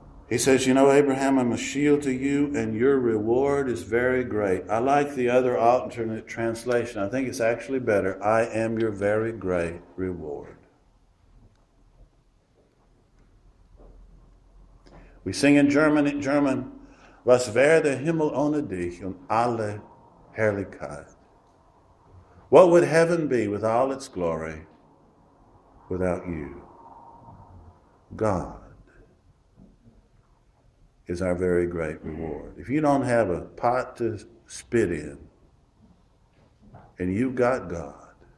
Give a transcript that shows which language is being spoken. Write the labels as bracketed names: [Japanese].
[English] He says, you know, Abraham, I'm a shield to you and your reward is very great. I like the other alternate translation. I think it's actually better. I am your very great reward. We sing in German, [German] was wäre der Himmel ohne dich und alle Herrlichkeit? [English] What would heaven be with all its glory without you? God is our very great reward. If you don't have a pot to spit in. And you've got God.